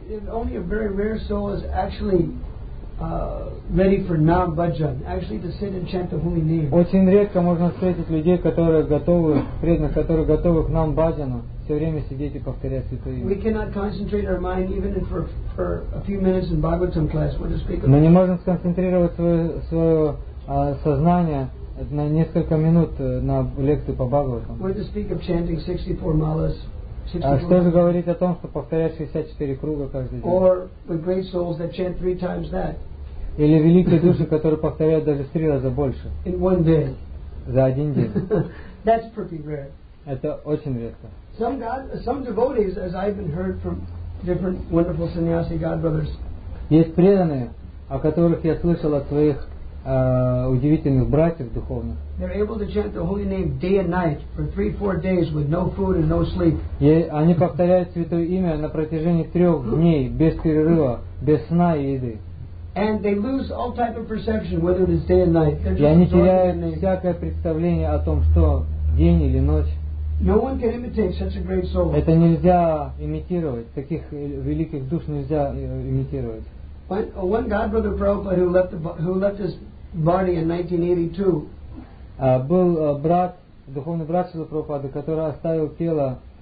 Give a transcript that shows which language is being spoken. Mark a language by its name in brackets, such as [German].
[English] Only a very rare soul is actually ready for Nam Bhajan, actually to sit and chant the holy name. [Russian] Очень редко можно встретить людей, которые готовы, преданных, которые готовы к Нам Бхаджану, все время сидеть и повторять святое имя. [English] We cannot concentrate our mind even for a few minutes in Bhagavatam class, when to speak of. [Russian] Мы не можем сконцентрировать свое сознание на несколько минут на лекцию по Бхагаватам. [English] When to speak of chanting 64 malas. [Russian] А что же говорить о том, что повторять 64 круга каждый день? [English] Or with great souls that chant three times that. [Russian] Или великие души, которые повторяют даже в три раза больше. [English] In one day. [Russian] За один день. [English] That's pretty rare. [Russian] Это очень редко. [English] Some devotees, as I've been heard from different wonderful sannyasi god brothers. [Russian] Есть преданные, о которых я слышал от своих удивительных братьев духовных. [English] They're able to chant the holy name day and night for 3-4 days with no food and no sleep. [Russian] Они повторяют святое имя на протяжении 3 дней без перерыва, без сна и еды. [English] And they lose all type of perception whether it is day and night. [Russian] И они теряют всякое представление о том, что день или ночь. [English] No one can imitate such a great soul. [Russian] Это нельзя имитировать. Таких великих душ нельзя имитировать. [English] One godbrother Prabhupada who left his body in 1982. [Russian] Был брат, духовный брат Шрилы Прабхупады, который оставил тело